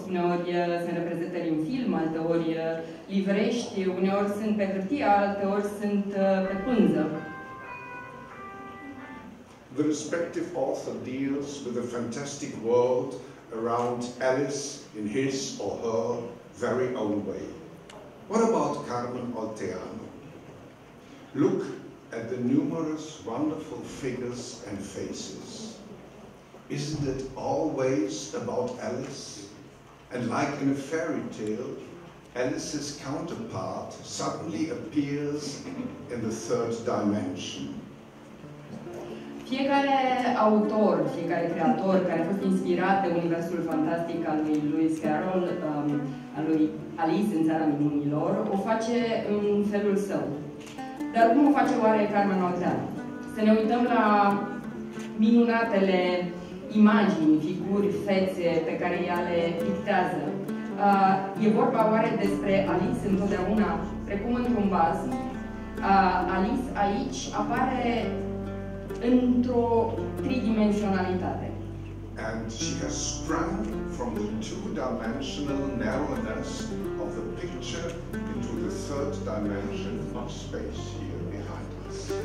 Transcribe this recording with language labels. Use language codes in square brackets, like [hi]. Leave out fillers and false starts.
[ro] Uneori sunt reprezentări în film, alteori livrești, uneori sunt pe hârtie, alteori sunt pe pânză. [en] The respective author deals with a fantastic world around Alice in his or her very own way. What about Carmen Odeanu? Look at the numerous wonderful figures and faces. Isn't it always about Alice? And like in a fairy tale, Alice's counterpart suddenly appears in the third dimension. [ro] Fiecare autor, fiecare creator care a fost inspirat de universul fantastic al lui Lewis Carroll, al lui Alice în Țara Minunilor, o face în felul său. Dar cum o face oare Carmen Oltean? Să ne uităm la minunatele imagini, figuri, fețe pe care ea le pictează. E vorba oare despre Alice întotdeauna, precum într-un vas? Alice aici apare într-o tridimensionalitate. [en] And she has sprung from the two-dimensional narrowness of the picture into the third dimension of space here behind us.